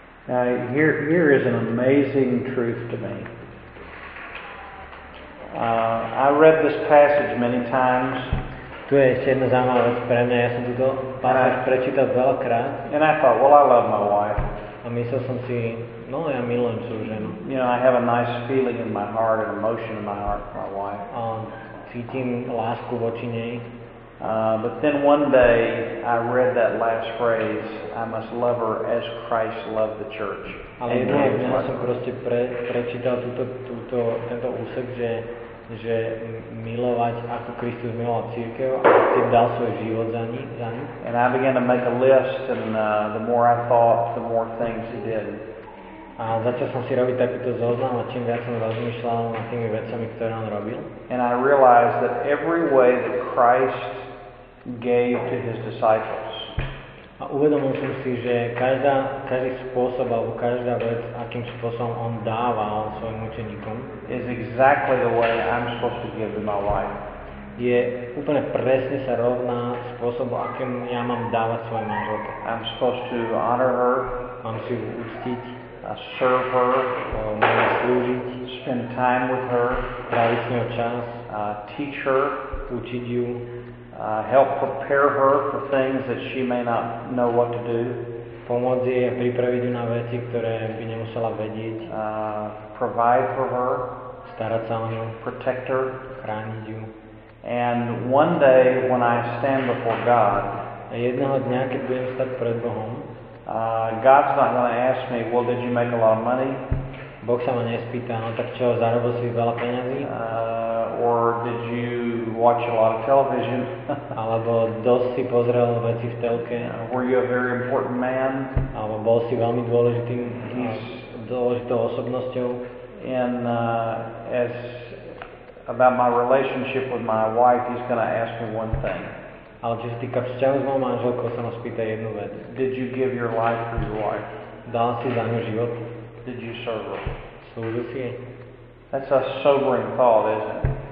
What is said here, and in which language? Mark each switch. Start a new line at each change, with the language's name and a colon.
English: Here is an amazing truth to me. I read this passage many times.
Slovak: Tu je ešte jedna zaujímavá vec pre mňa, ja som túto pasáž prečítal veľakrát.
English: And I thought, well, I love my wife.
Slovak: A myslel som si, no ja milujem svoju ženu.
English: You know, I have a nice feeling in my heart, an emotion in my heart for my wife.
Slovak: Cítim lásku voči nej.
English: But then one day I read that last phrase, I must love her as Christ loved the church.
Slovak: Ale jedného dňa som proste prečítal tento úsek, že milovať ako Kristus miloval cirkev a tým dal svoj život za ni.
English: And I began to make a list, and the more I thought, the more things he did.
Slovak: A začal som si robiť takýto zoznam, a čím viac som rozmýšľal nad tými vecami, ktoré on robil.
English: And I realized that every way that Christ gave to his disciples.
Slovak: A uvedomil som si, že každý spôsob alebo každá vec, akým spôsobom on dával svojim učeníkom,
English: is exactly the way I'm supposed to give to my wife.
Slovak: Je úplne presne sa rovná spôsobu, akým ja mám dávať svojej manželke.
English: I'm supposed to honor her.
Slovak: Mám si ju uctiť.
English: Serve her.
Slovak: Mám ju slúžiť.
English: Spend time with her.
Slovak: Tráviť s ňou čas.
English: Teach her.
Slovak: Učiť ju.
English: Help prepare her for things that she may not know what to do.
Slovak: Pomôcť jej pripraviť na veci, ktoré by nemusela vedieť.
English: Provide for her.
Slovak: Starať sa o ňu.
English: Protect her.
Slovak: Chrániť ju.
English: And one day when I stand before God,
Slovak: a jedného dňa, keď budem stať pred Bohom,
English: God's not going to ask me, well, did you make a lot of money?
Slovak: Boh sa ma nespýta, no tak čo, zarobil si veľa peňazí?
English: Or did you watch a lot of television?
Slovak: Alebo dosť si pozrel veci v telke?
English: Were you a very important man?
Slovak: Alebo bol si veľmi dôležitým, dôležitou osobnosťou?
English: And as about my relationship with my wife, he's going to ask me one thing.
Slovak: Ale čo sa týka vzťahu s mojou manželkou, sa ma spýta jednu vec.
English: Did you give your life for your wife?
Slovak: Dal si za ňu život?
English: Did you serve her?
Slovak: Slúžil si jej?
English: That's a sobering thought, isn't it?